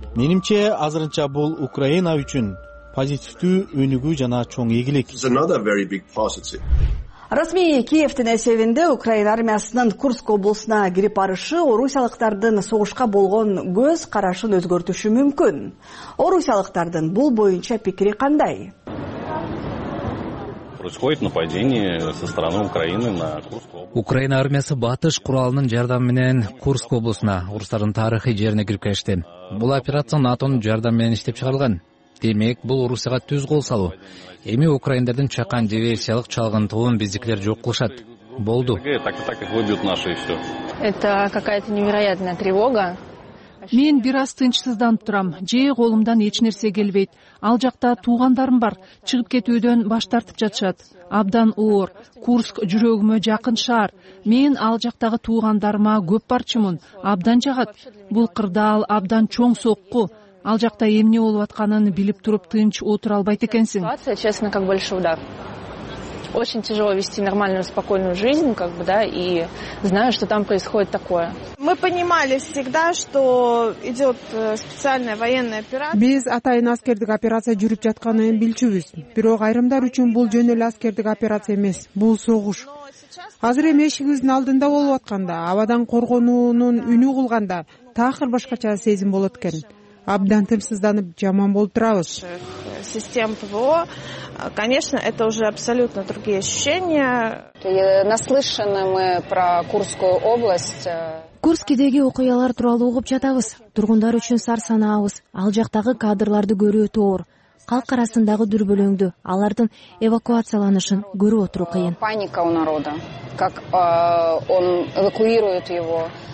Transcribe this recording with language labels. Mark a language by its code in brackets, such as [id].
[ky] Менимче, азырынча бул Украина үчүн позитивдүү өнүгүү жана чоң ийгилик. Расмий Киевтин эсебинде Украина армиясынын Курск облусуна кирип барышы орусиялыктардын согушка болгон көз карашын өзгөртүшү мүмкүн. Орусиялыктардын бул боюнча пикири кандай? [ru] Происходит нападение со стороны Украины на Курск [ky] облусу. Украина армиясы батыш куралынын жардамы менен Курск облусуна орустардын тарыхый жерине кирип келишти. Бул операция НАТОнун жардамы менен иштеп чыгарылган. Демек, бул Орусияга түз кол салуу. Эми украиндардын чакан диверсиялык чалгынтуун биздикилер жок кылышат. Болду. [ru] Это какая-то невероятная тревога. [ky] Мен бир аз тынчсызданып турам. Жээ колумдан эч нерсе келбейт. Ал жакта туугандарым бар. Чыгып кетүүдөн баш тартып жатышат. Абдан оор. Курск жүрөгүмө жакын шаар. Мен ал жактагы туугандарыма көп барчумун. Абдан жагат. Бул кырдаал абдан чоң сокку. Ал жакта эмне болуп атканын билип туруп тынч отура албайт экенсиң. [ru] Ситуация, честно, как большой удар. Очень тяжело вести нормальную, спокойную жизнь, как бы, да, и знаю, что там происходит такое. Мы понимали всегда, что идет специальная военная операция. [ky] Биз атайын аскердик операция жүрүп жатканын билчүбүз. Бирок айрымдар үчүн бул жөн эле аскердик операция эмес, бул согуш. Азыр эми эшибиздин алдында болуп атканда, абадан коргонуунун үнү кылганда, такыр башкача сезим болот экен. Абдан тынчсызданып жаман болуп турабыз. [ru] Систем ПВО, конечно, это уже абсолютно другие ощущения. Наслышаны мы про Курскую область. [ky] Курскидеги окуялар тууралуу угуп жатабыз. Тургундар үчүн сарсанабыз. Ал жактагы кадрларды көрүү оор. Калк арасындагы дүрбөлөңдү, алардын эвакуацияланышын көрүп отуруу кыйын. [ru] Паника у народа. Как он эвакуирует его.